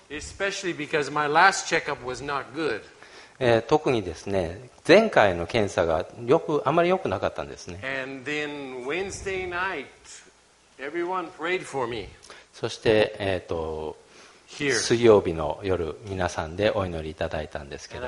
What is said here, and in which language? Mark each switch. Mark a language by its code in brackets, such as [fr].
[en] Especially because my last checkup was not good. [ja] 特にですね、前回の検査がよくあまり良くなかったんですね。 [en] And then Wednesday night, everyone prayed for me. [ja] そして、水曜日の夜、皆さんでお祈りいただいたんですけども、